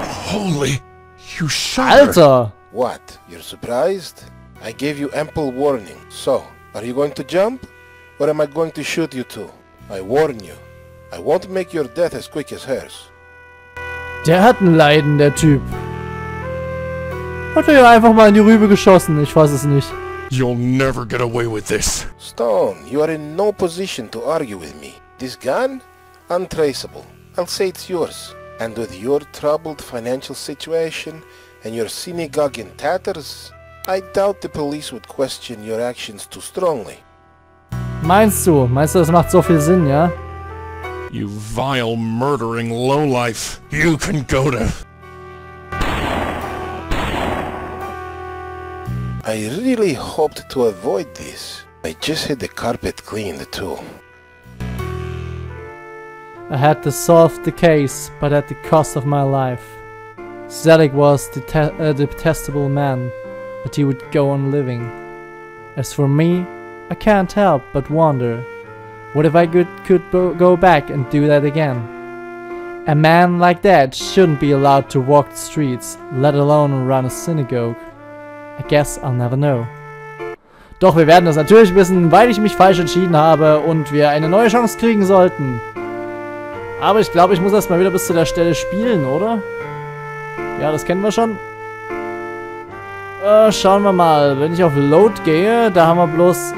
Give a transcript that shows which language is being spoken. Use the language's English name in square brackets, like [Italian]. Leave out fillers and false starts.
[English] Holy... You shot [German] Alter! [English] What? You're surprised? I gave you ample warning. So... Are you going to jump? Or am I going to shoot you too? I warn you. I won't make your death as quick as hers. [German] Der hat ein Leiden, der Typ. Hat er ja einfach mal in die Rübe geschossen, ich weiß es nicht. [English] You'll never get away with this. Stone, you are in no position to argue with me. This gun? Untraceable. I'll say it's yours. And with your troubled financial situation and your synagogue in tatters... I doubt the police would question your actions too strongly. [German] Meinst du, das macht so viel Sinn, ja? [English] You vile, murdering lowlife. You can go to... I really hoped to avoid this. I just had the carpet cleaned, too. I had to solve the case, but at the cost of my life. Zedek was the detestable man. But he would go on living. As for me, I can't help but wonder, what if I could go back and do that again? A man like that shouldn't be allowed to walk the streets, let alone run a synagogue. I guess I'll never know. [German] Doch, wir werden das natürlich wissen, weil ich mich falsch entschieden habe und wir eine neue Chance kriegen sollten. Aber ich glaube, ich muss erstmal wieder bis zu der Stelle spielen, oder? Ja, das kennen wir schon. Schauen wir mal, wenn ich auf Load gehe, da haben wir bloß...